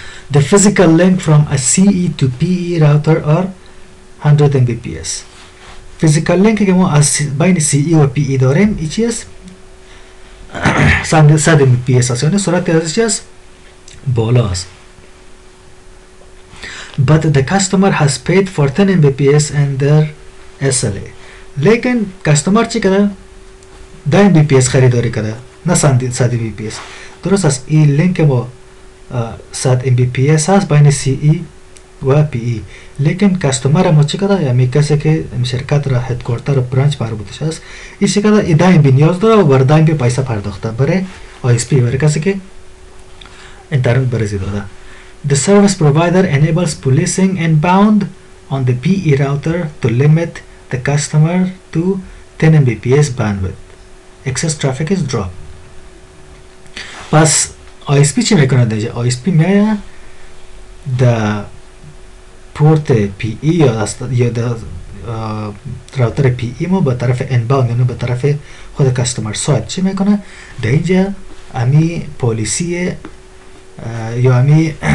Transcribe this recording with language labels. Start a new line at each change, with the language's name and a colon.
English: The physical link from a CE to PE router are 100 Mbps.
Persian: Physical link که ما از بین CE و PE داریم ای چی است؟ 100 Mbps است، یعنی سرعت ازش چیست؟ بالا است.
English: But the customer has paid for 10 Mbps and their SLA.
Persian: لیکن کستومر چی کده؟ 10 Mbps خریداری کده، نه 100 Mbps. درست است، این لینک ما 100 Mbps است بین CE و PE. لیکن کستومر ما چی کده؟ یعنی کسی که شرکت را هدکورتر و برانچ مربوطش است این چی کده؟ این 10 Mbps نیاز داره و بر 10 Mbps پیسه پرداخته برای ISP، برای کسی که انترنت برزی داده.
English: The service provider enables policing inbound on the PE router to limit the customer to 10 Mbps bandwidth. Excess traffic is dropped.
Persian: پس آی اس پی چی میکنه دیجا؟ آی اس پی میایه دا پورت پی ای یا دست یا دا راوتر پی ای مو به طرف انباوند یعنی به طرف خود کاستمر سایت چی میکنه؟ دا اینجا امی پالیسی یا امی